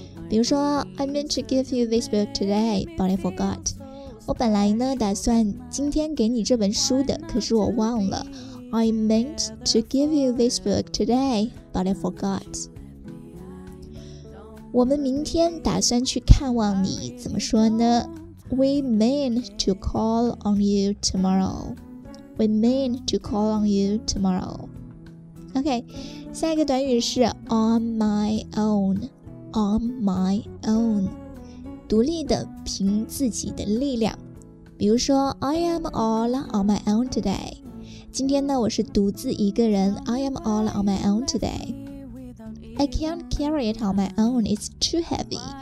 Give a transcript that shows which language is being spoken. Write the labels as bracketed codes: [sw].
[en] 比如说 I meant to give you this book today but I forgot。 [zh] 我本来呢打算今天给你这本书的，可是我忘了。 [en] I meant to give you this book today but I forgot。 [zh] 我们明天打算去看望你，怎么说呢？ [en] We mean to call on you tomorrow. We mean to call on you tomorrow. OK, [zh] 下一个短语是 [en] on my own. On my own. [zh] 独立的，凭自己的力量。 [en] 比如说 I am all on my own today. [zh] 今天呢，我是独自一个人。 [en] I am all on my own today. I can't carry it on my own, it's too heavy.